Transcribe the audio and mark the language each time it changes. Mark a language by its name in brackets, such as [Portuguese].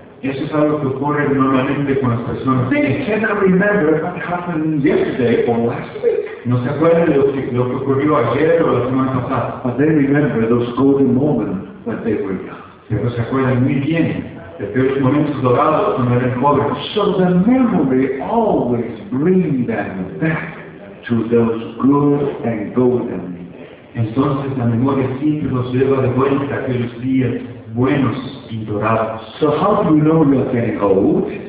[Spanish] Eso es algo que ocurre normalmente con las personas. [English] They cannot remember what happened yesterday or last week. [Spanish] No se acuerdan de lo que ocurrió ayer o la semana pasada. [English] But they remember those golden moments when they were young. [Spanish] Pero se acuerdan muy bien de aquellos momentos dorados cuando eran jóvenes. [English] So the memory always brings them back to those good and golden days. [Spanish] Entonces la memoria siempre los lleva de vuelta a aquellos días buenos y dorados. [English] So how do you know you're getting old?